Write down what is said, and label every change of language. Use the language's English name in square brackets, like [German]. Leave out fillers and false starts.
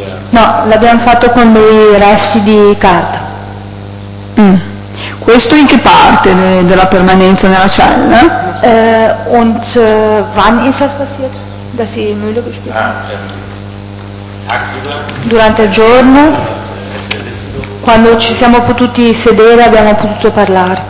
[Italian] No, l'abbiamo fatto con dei resti di carta. Mm. Questo in che parte della permanenza nella cella? [German] Und wann ist das passiert, dass sie die Mühle gespielt haben? [Italian] Durante il giorno. Quando ci siamo potuti sedere abbiamo potuto parlare.